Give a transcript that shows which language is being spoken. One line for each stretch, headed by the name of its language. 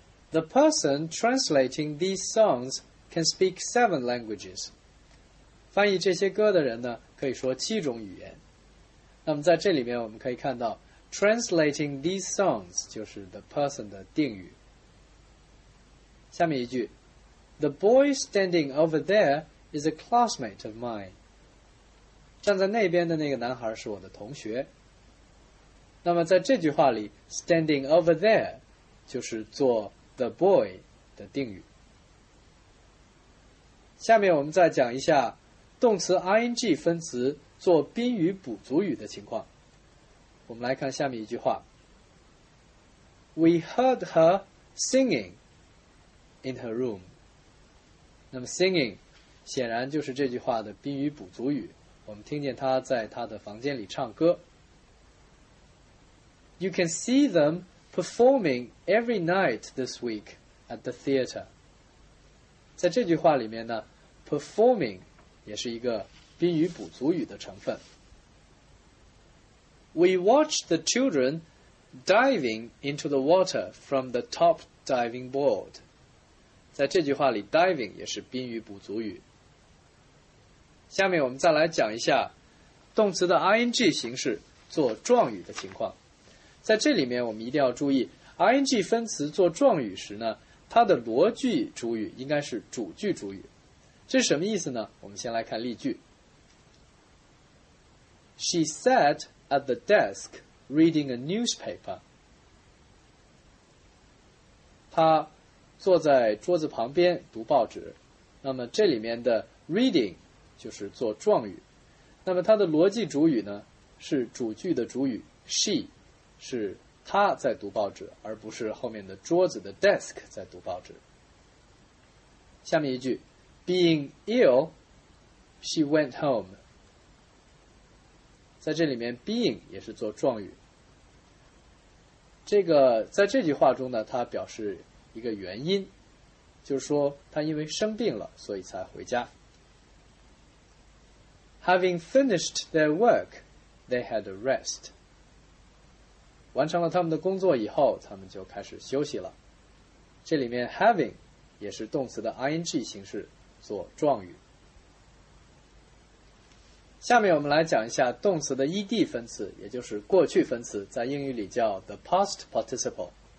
English: The person translating these songs can speak 7 languages.
Chinese: 翻译这些歌的人呢，可以说七种语言。那么在这里面我们可以看到
English: translating these songs
Chinese: 就是 the person 的定语。下面一句。
English: The boy standing over there is a classmate of mine.
Chinese: 站在那边的那个男孩是我的同学。那么在这句话里
English: standing over there
Chinese: 就是做 the boy 的定语。下面我们再讲一下动词 ing 分词做宾语补足语的情况。我们来看下面一句话。
English: We heard her singing in her room.
Chinese: 那么 singing 显然就是这句话的宾语补足语，我们听见她在她的房间里唱歌。
English: You can see them performing every night this week at the theater.
Chinese: 在这句话里面呢 ,performing 也是一个宾语补足语的成分。
English: We watched the children diving into the water from the top diving board.
Chinese: 在这句话里 ,diving 也是宾语补足语。下面我们再来讲一下动词的 ing 形式做状语的情况。在这里面我们一定要注意 ing 分词做状语时呢，它的逻辑主语应该是主句主语。这是什么意思呢？我们先来看例句。
English: She sat at the desk reading a newspaper.
Chinese: 她坐在桌子旁边读报纸。那么这里面的 reading 就是做状语，那么它的逻辑主语呢是主句的主语 she，是他在读报纸，而不是后面的桌子的 desk 在读报纸。下面一句
English: ，Being ill, she went home。
Chinese: 在这里面 ，being 也是做状语。这个在这句话中呢，它表示一个原因，就是说他因为生病了，所以才回家。
English: Having finished their work, they had a rest.
Chinese: 完成了他们的工作以后，他们就开始休息了。这里面 having 也是动词的 ing 形式做状语。下面我们来讲一下动词的 ed 分词，也就是过去分词，在英语里叫
English: the past participle。